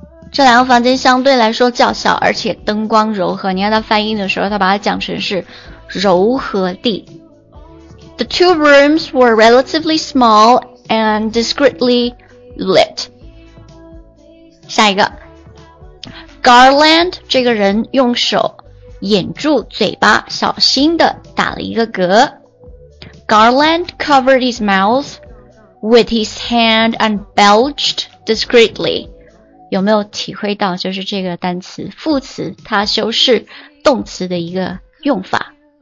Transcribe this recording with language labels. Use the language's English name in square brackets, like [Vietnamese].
[Chinese] 这两个房间相对来说较小，而且灯光柔和。你看它翻译的时候，它把它讲成是柔和地。 [English] The two rooms were relatively small and discreetly lit. [Chinese] 下一个 Garland 这个人用手掩住嘴巴，小心地打了一个嗝。 [English] Garland covered his mouth with his hand and belched discreetly. [Chinese] 有没有体会到就是这个单词副词它修饰动词的一个用法。